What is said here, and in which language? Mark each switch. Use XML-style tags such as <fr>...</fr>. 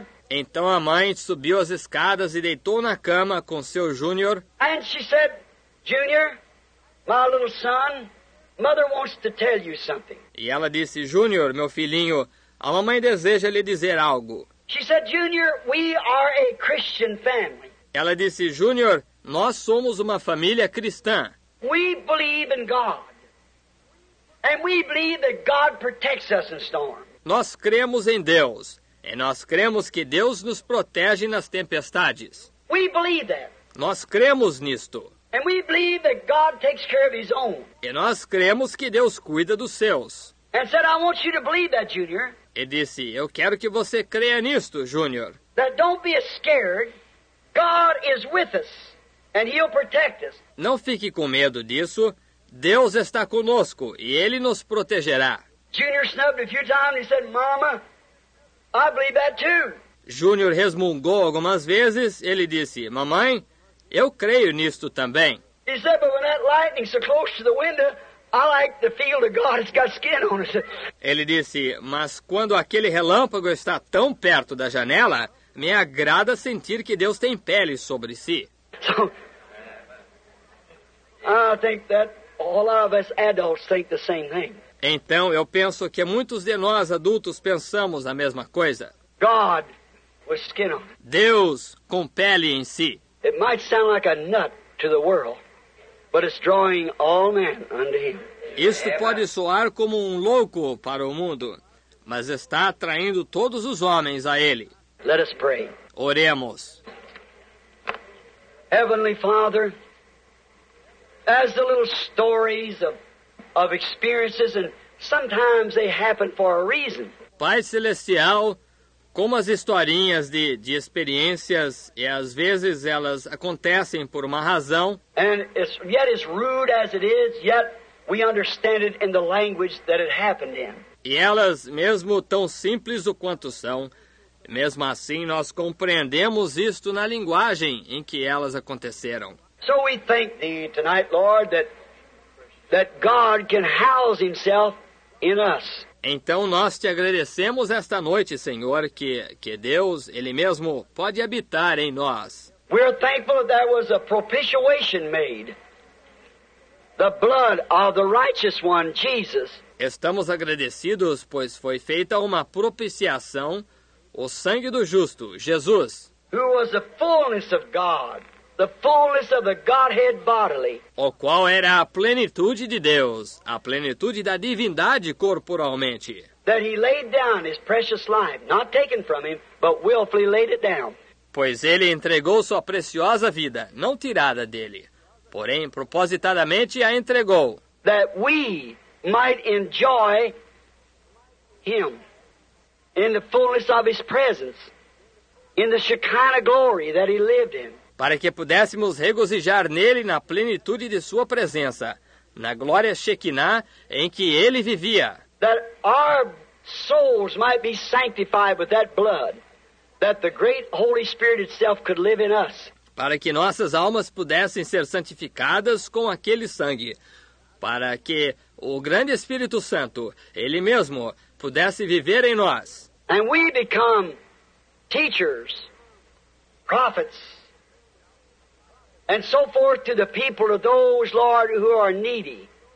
<pt>Então a mãe subiu as escadas e deitou na cama com seu Júnior. E ela disse, Júnior, meu pequeno filho,</pt> <en>mother wants to tell you something.</en> <pt>E ela disse, Júnior, meu filhinho, a mamãe deseja lhe dizer algo.</pt> <en>She said, Junior, we are a Christian family.</en> <pt>Ela disse, Júnior, nós somos uma família cristã.</pt> <en>We believe in God. And we believe that God protects us in storms.</en> <pt>Nós cremos em Deus. E nós cremos que Deus nos protege nas tempestades.</pt> <en>We believe that.</en> <pt>Nós cremos nisto.</pt> <en>And we believe that God takes care of his own.</en> <pt>E nós cremos que Deus cuida dos seus.</pt> <en>And said, I want you to believe that, Junior.</en> <pt>E disse, eu quero que você creia nisto, Junior.</pt> <en>That don't be scared. God is with us and he'll protect us.</en> <pt>Não fique com medo disso. Deus está conosco e ele nos protegerá.</pt> <en>Junior snubbed a few times and said, Mama, I believe that too.</en> <pt>Junior resmungou algumas vezes. Ele disse, mamãe, eu creio nisto também.</pt> <en>He said, but when that lightning's so close to the window, I like the feel of God. It's got skin on it.</en> <pt>Ele disse, mas quando aquele relâmpago está tão perto da janela, me agrada sentir que Deus tem pele sobre si.</pt> <en>So, I think that all of us adults think the same thing.</en> <pt>Então, eu penso que muitos de nós adultos pensamos a mesma coisa.</pt> <en>God with skin on.</en> <pt>Deus com pele em si.</pt> <en>It might sound like a nut to the world, but it's drawing all men unto him.</en> <pt>Isto pode soar como um louco para o mundo, mas está atraindo todos os homens a ele.</pt> <en>Let us pray.</en> <pt>Oremos.</pt> <en>Heavenly Father, as the little stories of experiences, and sometimes they happen for a reason.</en> <pt>Pai Celestial, como as historinhas de experiências, e às vezes elas acontecem por uma razão.</pt> <en>And it's, yet as rude as it is, yet we understand it in the language that it happened in.</en> <pt>E elas, mesmo tão simples o quanto são, mesmo assim nós compreendemos isto na linguagem em que elas aconteceram.</pt> <en>So we thank thee tonight, Lord, that God can house himself in us.</en> <pt>Então nós te agradecemos esta noite, Senhor, que Deus, Ele mesmo, pode habitar em nós.</pt> <en>We are thankful that there was a propitiation made. The blood of the righteous one, Jesus.</en> <pt>Estamos agradecidos, pois foi feita uma propiciação, o sangue do justo, Jesus.</pt> <en>Who was the fullness of God, the fullness of the Godhead bodily.</en> <pt>O qual era a plenitude de Deus, a plenitude da divindade corporalmente.</pt> <en>That he laid down his precious life, not taken from him, but willfully laid it down.</en> <pt>Pois ele entregou sua preciosa vida, não tirada dele, porém propositadamente a entregou.</pt> <en>That we might enjoy him in the fullness of his presence, in the Shekinah glory that he lived in.</en> <pt>Para que pudéssemos regozijar nele na plenitude de sua presença, na glória Shekinah em que ele vivia.</pt> <en>That our souls might be sanctified with that blood, that the great Holy Spirit itself could live in us.</en> <pt>Para que nossas almas pudessem ser santificadas com aquele sangue, para que o grande Espírito Santo, ele mesmo, pudesse viver em nós.</pt> <en>And we become teachers, prophets, and so forth to the people of those, Lord, who are needy.</en>